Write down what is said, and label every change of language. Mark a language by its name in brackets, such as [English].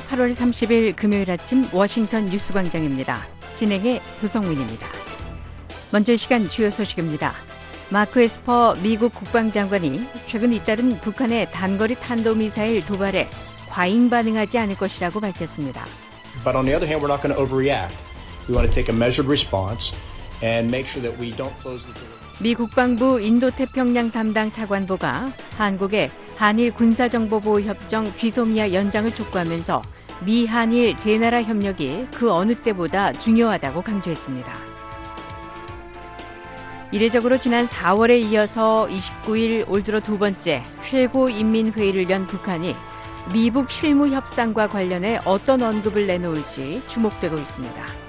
[Korean] 8월 30일 금요일 아침 워싱턴 뉴스 광장입니다. 진행의 도성민입니다. 먼저 이 시간 주요 소식입니다. 마크 에스퍼 미국 국방장관이 최근 잇따른 북한의 단거리 탄도미사일 도발에 과잉 반응하지 않을 것이라고 밝혔습니다. [English] But on the other hand, we're not going to overreact. We want to take a measured response and make sure that we don't close the door. [Korean] 미 국방부 인도태평양 담당 차관보가 한국의 한일 군사정보보호협정 귀소미아 연장을 촉구하면서 미 한일 세 나라 협력이 그 어느 때보다 중요하다고 강조했습니다. 이례적으로 지난 4월에 이어서 29일 올 들어 두 번째 최고인민회의를 연 북한이 미북 실무협상과 관련해 어떤 언급을 내놓을지 주목되고 있습니다.